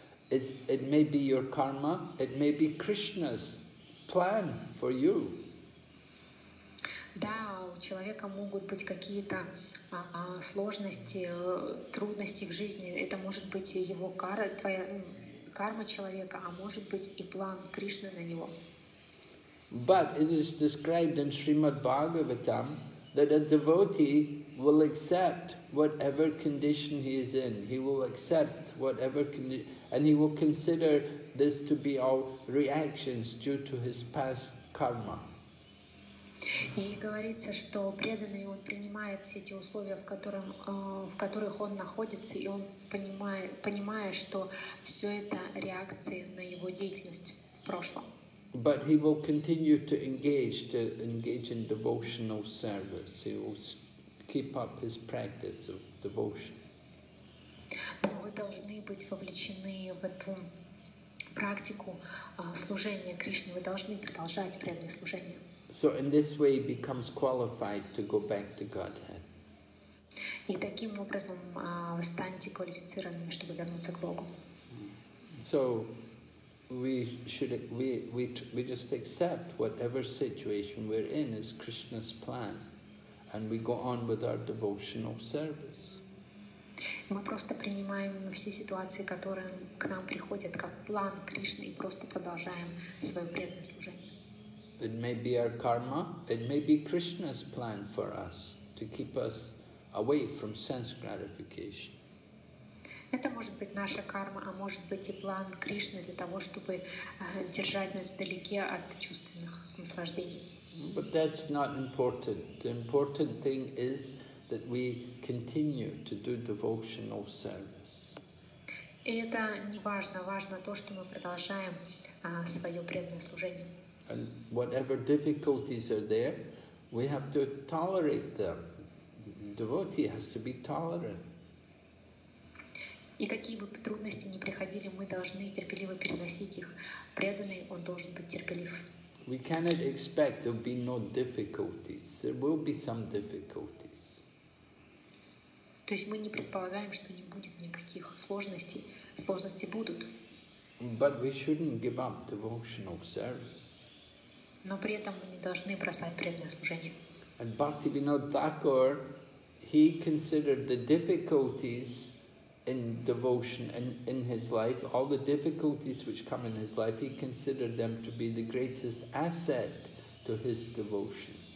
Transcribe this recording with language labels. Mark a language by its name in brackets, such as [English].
[English] It may be your karma, it may be Krishna's plan for you. [Russian] Да, у человека могут быть какие-то сложности, трудности в жизни. Это может быть его кара, твоя карма человека, а может быть и план Кришны на него. [English] But it is described in Srimad Bhagavatam that a devotee will accept whatever condition he is in. He will accept whatever condition, and he will consider this to be all reactions due to his past karma. [Russian] И говорится, что преданный он принимает все эти условия, в которых он находится, и он понимая, что все это реакции на его деятельность в прошлом. [English] But he will continue to engage in devotional service. He will keep up his practice of devotion. [Russian] Но вы должны быть вовлечены в эту практику служения Кришне. Вы должны продолжать преданное служение. [English] So in this way he becomes qualified to go back to Godhead. [Russian] И таким образом вы станете квалифицированными, чтобы вернуться к Богу. [English] So we just accept whatever situation we're in is Krishna's plan, and we go on with our devotional service. [Russian] Мы просто принимаем все ситуации, которые к нам приходят, как план Кришны, и просто продолжаем свое преданное служение. [English] It may be our karma, it may be Krishna's plan for us to keep us away from sense gratification. [Russian] Это может быть наша карма, а может быть и план Кришны для того, чтобы держать нас вдалеке от чувственных наслаждений. [English] But that's not important. The important thing is that we continue to do devotional service. [Russian] И это не важно. Важно то, что мы продолжаем свое преданное служение. [English] And whatever difficulties are there, we have to tolerate them. Devotee has to be tolerant. [Russian] И какие бы трудности ни приходили, мы должны терпеливо переносить их. Преданный, он должен быть терпелив. [English] We cannot expect there will be no difficulties. There will be some difficulties. [Russian] То есть мы не предполагаем, что не будет никаких сложностей. Сложности будут. [English] But we shouldn't give up devotional service. [Russian] Но при этом мы не должны бросать преданное служение. [English] And Bhaktivinoda Thakur, he considered the difficulties in devotion and in his life, all the difficulties which come in his life, he considered them to be the greatest asset to his devotion.